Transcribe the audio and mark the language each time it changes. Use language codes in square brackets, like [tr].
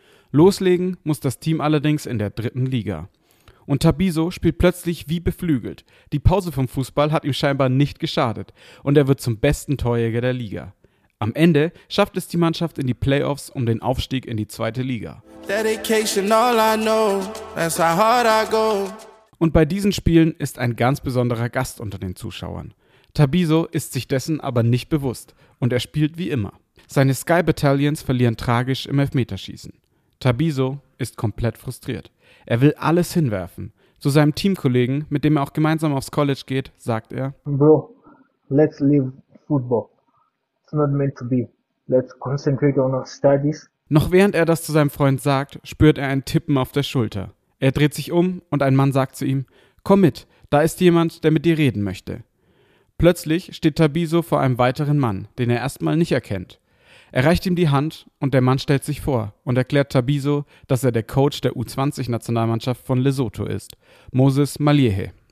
[de] Loslegen muss das Team allerdings in der dritten Liga. Und Tabiso spielt plötzlich wie beflügelt. Die Pause vom Fußball hat ihm scheinbar nicht geschadet und er wird zum besten Torjäger der Liga. Am Ende schafft es die Mannschaft in die Playoffs um den Aufstieg in die zweite Liga. [en] Dedication, all I know, that's how hard I go. [de] Und bei diesen Spielen ist ein ganz besonderer Gast unter den Zuschauern. Tabiso ist sich dessen aber nicht bewusst und er spielt wie immer. Seine Sky Battalions verlieren tragisch im Elfmeterschießen. Tabiso ist komplett frustriert. Er will alles hinwerfen. Zu seinem Teamkollegen, mit dem er auch gemeinsam aufs College geht, sagt er: [en] Bro, let's leave football. It's not meant to be. Let's concentrate on our studies. [de] Noch während er das zu seinem Freund sagt, spürt er ein Tippen auf der Schulter. Er dreht sich um und ein Mann sagt zu ihm: Komm mit, da ist jemand, der mit dir reden möchte. Plötzlich steht Tabiso vor einem weiteren Mann, den er erstmal nicht erkennt. Er reicht ihm die Hand und der Mann stellt sich vor und erklärt Tabiso, dass er der Coach der U20-Nationalmannschaft von Lesotho ist, Moses Maliehe.